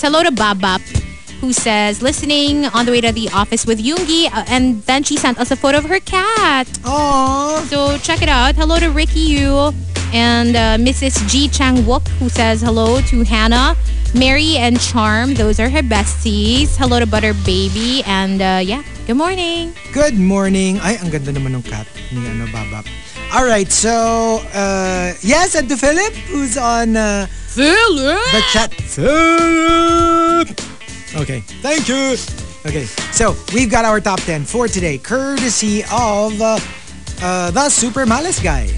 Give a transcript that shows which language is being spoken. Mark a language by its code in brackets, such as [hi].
[en] Hello to Babap, who says, listening on the way to the office with Yoongi, and then she sent us a photo of her cat. Aww. So, check it out. Hello to Ricky Yu, and Mrs. G. Chang Wook, who says hello to Hannah, Mary, and Charm. Those are her besties. Hello to Butter Baby, and yeah. Good morning. Good morning. [tl] Ay, ang ganda naman ng cat ni ano, Babap. [en] All right, so yes, and to Philip, who's on Philip the chat. Philip. Okay, thank you. Okay, so we've got our top 10 for today, courtesy of the Super Malice Guy.